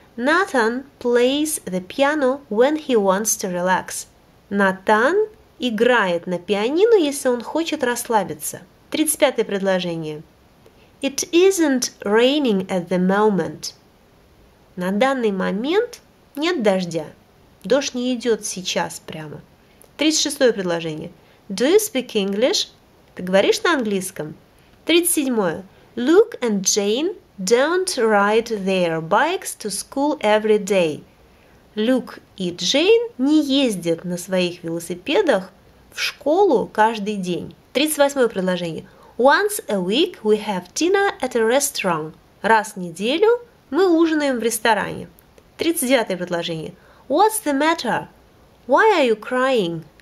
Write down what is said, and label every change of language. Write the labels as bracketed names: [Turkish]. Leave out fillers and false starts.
[English] Nathan plays the piano when he wants to relax. [Russian] Натан играет на пианино, если он хочет расслабиться. 35-е предложение. [English] It isn't raining at the moment. [Russian] На данный момент нет дождя. Дождь не идет сейчас прямо. 36-е предложение. [English] Do you speak English? [Russian] Ты говоришь на английском? 37-е. [English] Luke and Jane don't ride their bikes to school every day. [Russian] Люк и Джейн не ездят на своих велосипедах в школу каждый день. 38-е предложение. [English] Once a week we have dinner at a restaurant. [Russian] Раз в неделю мы ужинаем в ресторане. 39-е предложение. [English] What's the matter? Why are you crying?